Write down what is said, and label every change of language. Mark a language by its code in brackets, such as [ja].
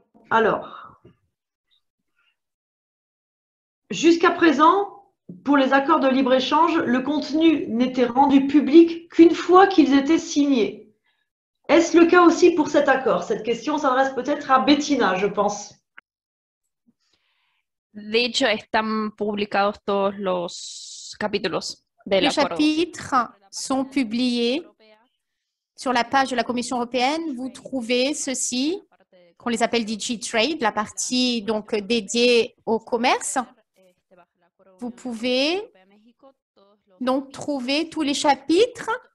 [fr] Alors, jusqu'à présent, pour les accords de libre-échange, le contenu n'était rendu public qu'une fois qu'ils étaient signés. Est-ce le cas aussi pour cet accord? Cette question s'adresse peut-être à Bettina, je pense. [es] De hecho, están publicados todos los capítulos del acuerdo. [fr] Les chapitres sont publiés sur la page de la Commission européenne. Vous trouvez ceci, qu'on les appelle DG Trade, la partie donc dédiée au commerce. Vous pouvez donc trouver tous les chapitres.